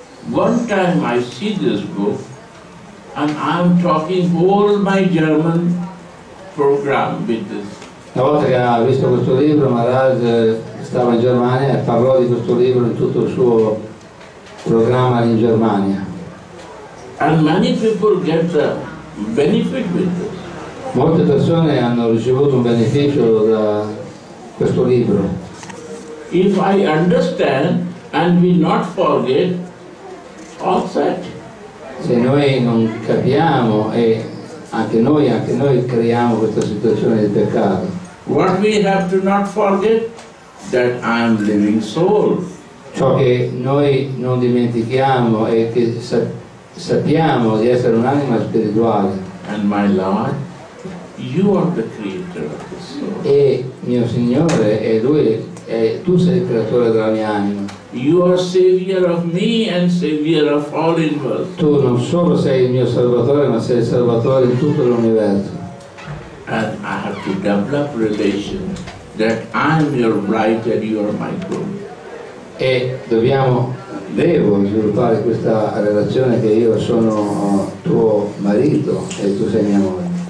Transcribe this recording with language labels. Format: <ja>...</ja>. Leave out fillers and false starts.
<en>One time I see this book, and I'm talking all my German program with this.</en> <it>Una volta che ha visto questo libro, Maharaj stava in Germania e parlò di questo libro in tutto il suo programma in Germania.</it> <en>And many people get a benefit with this.</en> <it>Molte persone hanno ricevuto un beneficio da questo libro.</it> <en>If I understand and we not forget, all set.</en> <it>Se noi non capiamo e anche noi creiamo questa situazione di peccato.</it> <en>What we have to not forget that I am living soul.</en> <it>Ciò che noi non dimentichiamo è che sappiamo di essere un'anima spirituale.</it> <en>And my Lord, you are the creator of the soul.</en> <it>E mio Signore è lui. E tu sei il creatore della mia anima.</it> <en>You are savior of me and savior of all universe.</en> <it>Tu non solo sei il mio salvatore, ma sei il salvatore di tutto l'universo.</it> <en>And I have to develop relation that I am your bride and you are my groom.</en> <it>E devo sviluppare questa relazione che io sono tuo marito e tu sei mia moglie.</it>